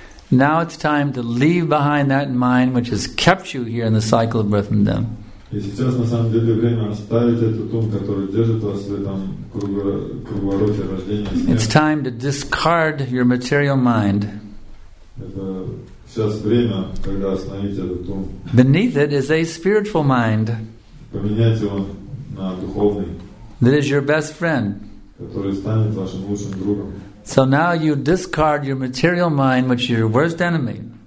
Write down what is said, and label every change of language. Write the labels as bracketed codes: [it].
[en] Now it's time to leave behind that mind which has kept you here in the cycle of birth and death. [ru] И сейчас на самом деле время оставить этот ум, который держит вас в этом круговороте рождения. [en] It's time to discard your material mind. [ru] Это сейчас время, когда остановить этот ум. [en] Beneath it is a spiritual mind. [ru] Поменять его на духовный. [en] That is your best friend. [ru] Который станет вашим лучшим другом. [en] So now you discard your material mind, which is your worst enemy.